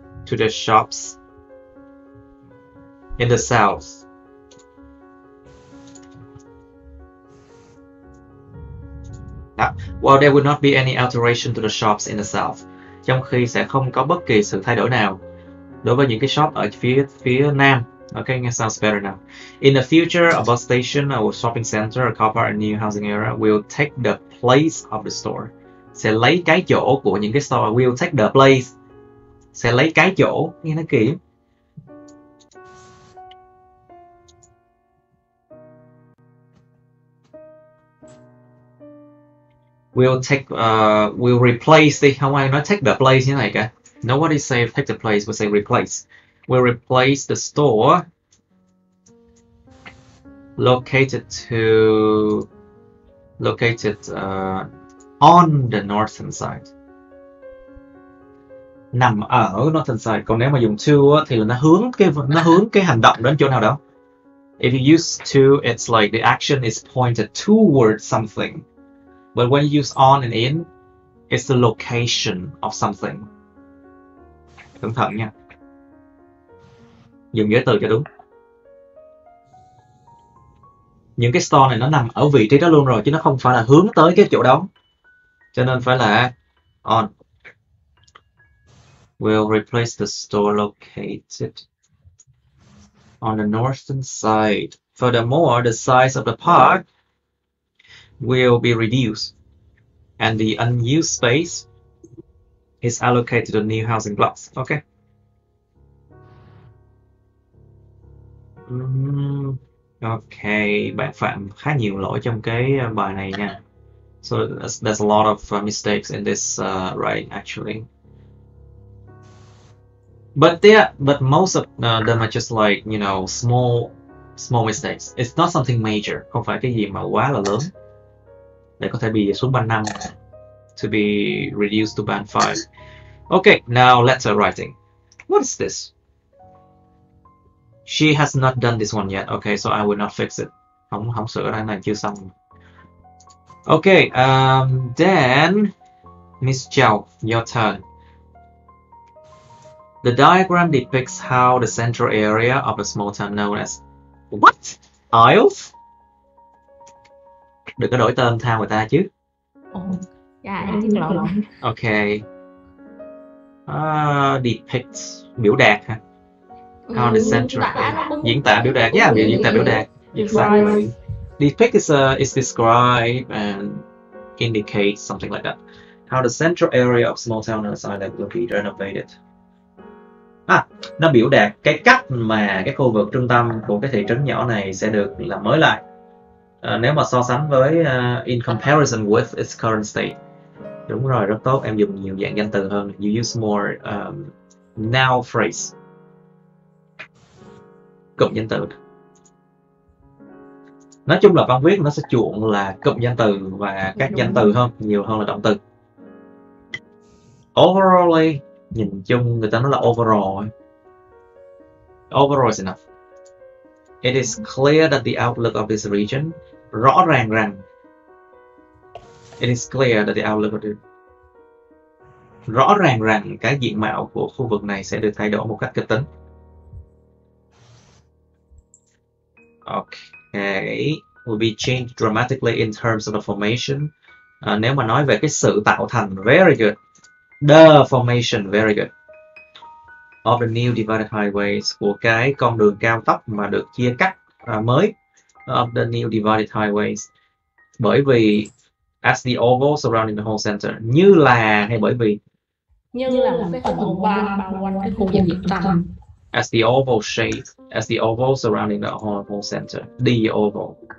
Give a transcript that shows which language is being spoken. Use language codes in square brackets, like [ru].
[en] To the shops in the south. while there would not be any alteration to the shops in the south, [vi] trong khi sẽ không có bất kỳ sự thay đổi nào đối với những cái shop ở phía nam. [en] Okay, that sounds better now. In the future, a bus station, a shopping center, a car park, a new housing area will take the place of the store. [vi] Sẽ lấy cái chỗ của những cái store. [en] Will take the place. [vi] Sẽ lấy cái chỗ. Nghe nó kỳ. [en] Will replace the. [vi] Không ai nói take the place như này cả. [en] Nobody say take the place. We say replace. Will replace the store located on the northern side. [vi] Nằm ở northern side. Còn nếu mà dùng to thì là nó hướng cái hành động đến chỗ nào đó. [en] If you use to, it's like the action is pointed towards something. But when you use on and in, it's the location of something. [vi] Cẩn thận nha. Dùng giới từ cho đúng. Những cái store này nó nằm ở vị trí đó luôn rồi, chứ nó không phải là hướng tới cái chỗ đó. Cho nên phải là on. [en] We'll replace the store located on the northern side. Furthermore, the size of the park will be reduced. And the unused space is allocated to new housing blocks. Okay. [vi] Ok, bạn phạm khá nhiều lỗi trong cái bài này nha. [en] So there's a lot of mistakes in this right actually. But most of them are just like, you know, small mistakes. It's not something major. [vi] Không phải cái gì mà quá là lớn để có thể bị xuống ban 5, [en] to be reduced to ban 5. Okay, now letter writing. What is this? She has not done this one yet. Okay, so I will not fix it. [vi] Không sửa cái này chưa xong. [en] Okay, then Miss Zhao, your turn. The diagram depicts how the central area of a small town known as what? IELTS? [vi] Đừng có đổi tên theo người ta chứ. Dạ, em xin lỗi. [en] Okay. [vi] Depicts biểu đạt hả? [en] How the central [vi] diễn tả biểu đạt, yeah, diễn tả biểu đạt. [en] Exactly. Depict is describe and indicate something like that. How the central area of small town on the side that will be renovated. [vi] Nó biểu đạt cái cách mà cái khu vực trung tâm của cái thị trấn nhỏ này sẽ được làm mới lại. Nếu mà so sánh với [en] in comparison with its current state. [vi] Đúng rồi, rất tốt. Em dùng nhiều dạng danh từ hơn. [en] You use more noun phrase. [vi] Cụm danh từ. Nói chung là văn viết nó sẽ chuộng là cụm danh từ và các danh từ hơn, nhiều hơn là động từ. Overall, nhìn chung người ta nói là [en] overall is enough. It is clear that the outlook of this region, [vi] rõ ràng rằng, [en] it is clear that the outlook of this, [vi] rõ ràng rằng cái diện mạo của khu vực này sẽ được thay đổi một cách kịch tính. [en] Okay, will be changed dramatically in terms of the formation. [vi] Nếu mà nói về cái sự tạo thành, [en] very good. The formation, very good. Of the new divided highways, [vi] của cái con đường cao tốc mà được chia cắt mới. [en] Of the new divided highways. [vi] Bởi vì, [en] as the oval surrounding the whole center. [vi] Như là, hay bởi vì? Như là cái khu vực trung tâm. [en] As the oval shape, as the oval surrounding the whole center, the oval.